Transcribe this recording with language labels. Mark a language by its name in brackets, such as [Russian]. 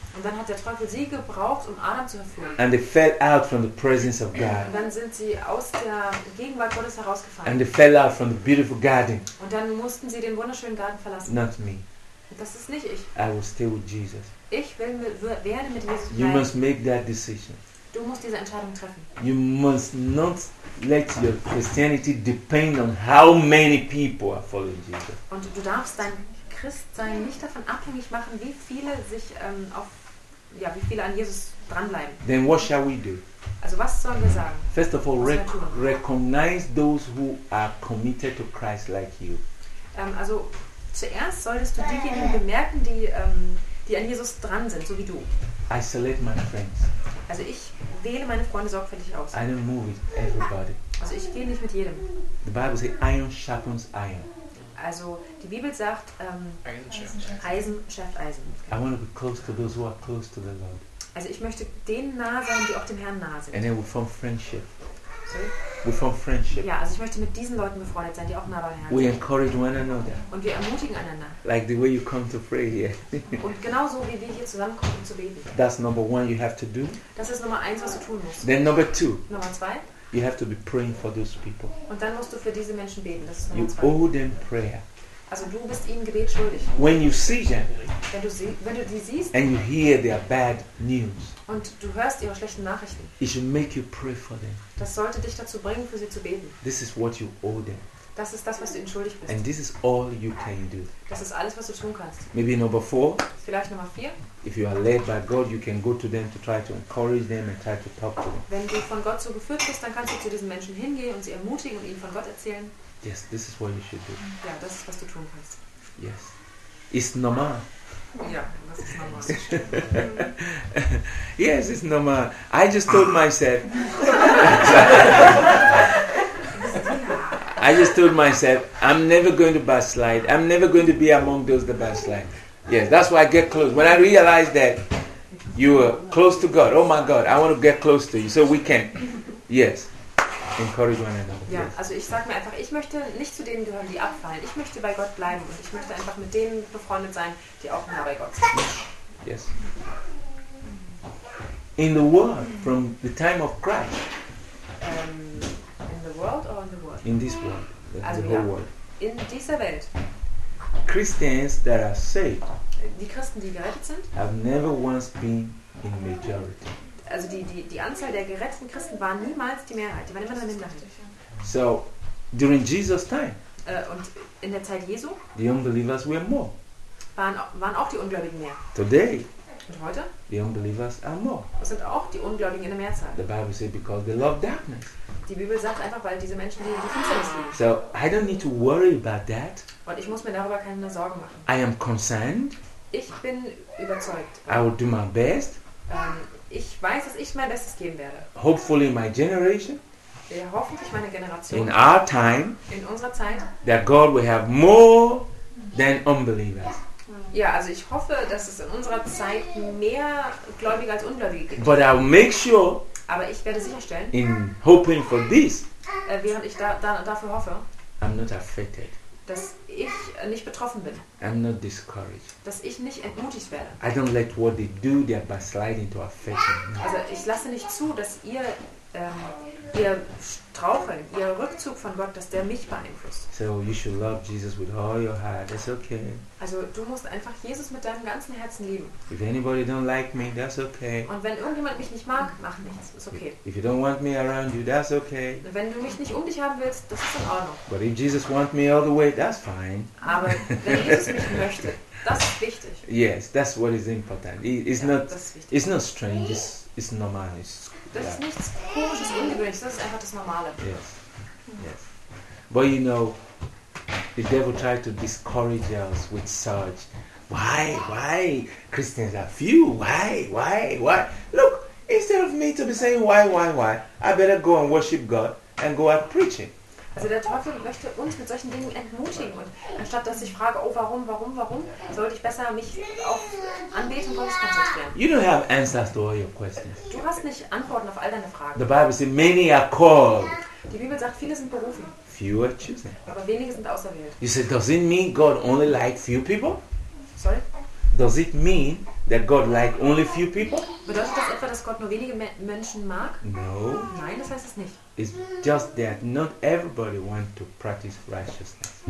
[German] Und dann hat der Teufel sie gebraucht, um Adam zu verführen. [English] And they fell out from the presence of God. [German] Und dann sind sie aus der Gegenwart Gottes herausgefallen. [English] And they fell out from the beautiful garden. [German] Und dann mussten sie den wunderschönen Garten verlassen. [English] Not me. [German] Das ist nicht ich. [English] I will stay with Jesus. [German] Ich werde mit Jesus bleiben. [English] You must make that decision. [German] Du musst diese Entscheidung treffen. [English] You must not let your Christianity depend on how many people are following Jesus. [German] Und du darfst dein Christsein nicht davon abhängig machen, wie viele sich wie viele an Jesus dranbleiben. [English] Then what shall we do? [German] Also was sollen wir sagen? [English] First of all, recognize those who are committed to Christ like you. [German] Also zuerst solltest du diejenigen bemerken, die die an Jesus dran sind, so wie du. [English] I select my friends. [German] Also ich wähle meine Freunde sorgfältig aus. [English] I don't move with everybody. [German] Also ich gehe nicht mit jedem. [English] The Bible says iron sharpens iron. [German] Also die Bibel sagt Eisen schärft Eisen. [English] I want to be close to those who are close to the Lord. [German] Also ich möchte denen nahe sein, die auch dem Herrn nahe sind. [English] And then we form friendship. Sorry? We form friendship. [German] Ja, also ich möchte mit diesen Leuten befreundet sein, die auch nah beim Herrn [English] we [German] sind. [English] We encourage one another. [German] Und wir ermutigen einander. [English] Like the way you come to pray here. [German] Und genauso wie wir hier zusammenkommen um zu beten. [English] That's number one you have to do. [German] Das ist Nummer eins, was du tun musst. [English] Then number two. [German] Nummer zwei. [English] You have to be praying for those people. [German] Und dann musst du für diese Menschen beten. Das ist Nummer [English] you [German] zwei. [English] Owe them prayer. [German] Also du bist ihnen Gebet schuldig. [English] When you see them. [German] Wenn du die siehst. [English] And you hear their bad news. [German] Und du hörst ihre schlechten Nachrichten. [English] It should make you pray for them. [German] Das sollte dich dazu bringen, für sie zu beten. [English] This is what you owe them. [German] Das ist das, was du ihnen schuldig bist. [English] And this is all you can do. [German] Das ist alles, was du tun kannst. [English] Maybe number four. [German] Vielleicht Nummer vier. [English] If you are led by God, you can go to them to try to encourage them and try to talk to them. [German] Wenn du von Gott so geführt bist, dann kannst du zu diesen Menschen hingehen und sie ermutigen und ihnen von Gott erzählen. [English] Yes, this is what you should do. [German] Ja, das ist, was du tun kannst. [English] Yes. It's normal. [German] Ja, das ist normal. [English] Yes, it's normal. I just told myself. I just told myself, I'm never going to backslide. I'm never going to be among those that backslide. Yes, that's why I get close. When I realize that you are close to God, oh my God, I want to get close to you. So we can. Yes. Encourage one another. [German] Ja, also ich sag mir einfach, ich möchte nicht zu denen gehören, die abfallen. Ich möchte bei Gott bleiben und ich möchte einfach mit denen befreundet sein, die auch nah bei Gott sind. [English] Yes. In the world, from the time of Christ. In the world or in the world? In this world. [German] Also [English] the whole world. [German] In dieser Welt. [English] Christians that are saved. [German] Die Christen, die gerettet sind. [English] Have never once been in majority. [German] Also die Anzahl der geretteten Christen war niemals die Mehrheit. Die waren immer eine Minderheit. [English] So, during Jesus' time. [German] Und in der Zeit Jesu. [English] The unbelievers were more. [German] Waren auch die Ungläubigen mehr. [English] Today. [German] Und heute. [English] The unbelievers are more. [German] Sind auch die Ungläubigen in der Mehrzahl. [English] The Bible says because they love darkness. [German] Die Bibel sagt einfach, weil diese Menschen die Finsternis lieben. [English] So, I don't need to worry about that. [German] Und ich muss mir darüber keine Sorgen machen. [English] I am concerned. [German] Ich bin überzeugt. [English] I will do my best. [German] Ich weiß, dass ich mein Bestes geben werde. [English] Hopefully my generation. [German] Ja, hoffentlich meine Generation. [English] In our time. [German] In unserer Zeit. [English] That God will have more than unbelievers. [German] Ja, also ich hoffe, dass es in unserer Zeit mehr Gläubige als Ungläubige gibt. [English] But I'll make sure. [German] Aber ich werde sicherstellen. [English] In hoping for this. [German] Während ich dafür hoffe. [English] I'm not affected. [German] Dass ich nicht betroffen bin. [English] I'm not discouraged. [German] Dass ich nicht entmutigt werde. [English] I don't let what they do, their backsliding, to affect me. [German] Also ich lasse nicht zu, dass ihr Straucheln, ihr Rückzug von Gott, dass der mich beeinflusst. [English] So you should love Jesus with all your heart. That's okay. [German] Also du musst einfach Jesus mit deinem ganzen Herzen lieben. [English] If anybody don't like me, that's okay. [German] Und wenn irgendjemand mich nicht mag, mach nichts. Ist okay. [English] If you don't want me around you, that's okay. [German] Wenn du mich nicht um dich haben willst, das ist in Ordnung. [English] But if Jesus wants me all the way, that's fine. [German] Aber wenn Jesus mich möchte, das ist wichtig. [English] Yes, that's what is important. It's [German] ja, [English] not. [German] Das ist wichtig. [English] It's not strange. It's normal. It's [German] das ist nichts Komisches, Ungewöhnliches. Das ist einfach das Normale. [English] Yes. Yes. But you know, the devil tried to discourage us with such, why Christians are few? Why? Look, instead of me to be saying why, I better go and worship God and go out preaching. [German] Also der Teufel möchte uns mit solchen Dingen entmutigen. Und anstatt dass ich frage, oh warum, sollte ich besser mich auf Anbetung Gottes konzentrieren. [English] You don't have answers to all your questions. [German] Du hast nicht Antworten auf all deine Fragen. [English] The Bible says many are called. [German] Die Bibel sagt, viele sind berufen. [English] Few are chosen. [German] Aber wenige sind auserwählt. [English] You say, does it mean God only likes few people? Sorry? Does it mean that God likes only few people? [German] Bedeutet das etwa, dass Gott nur wenige Menschen mag? [English] No. [German] Nein, das heißt es nicht. [English] It's just that not everybody wants to practice righteousness.